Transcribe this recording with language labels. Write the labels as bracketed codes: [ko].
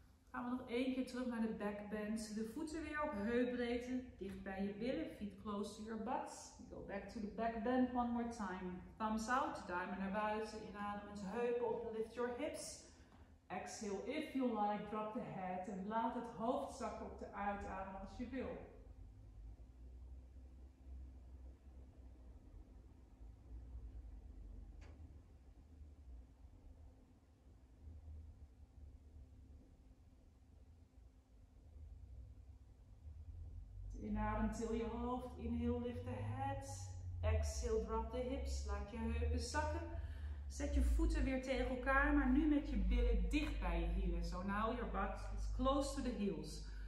[nl] Gaan we nog één keer terug naar de back bend. De voeten weer op heupbreedte. Dicht bij je billen. [en] Feet close to your butt. Go back to the back bend one more time. Thumbs out. [nl] Duimen naar buiten. Inademend heupen op. [en] Lift your hips. Exhale if you like. Drop the head. [nl] En laat het hoofd zakken op de uitadem als je wil. Inadem, til je hoofd. [en] Inhale, lift the head. Exhale, drop the hips. [nl] Laat je heupen zakken. Zet je voeten weer tegen elkaar, maar nu met je billen dicht bij je hielen. [en] So now your butt is close to the heels.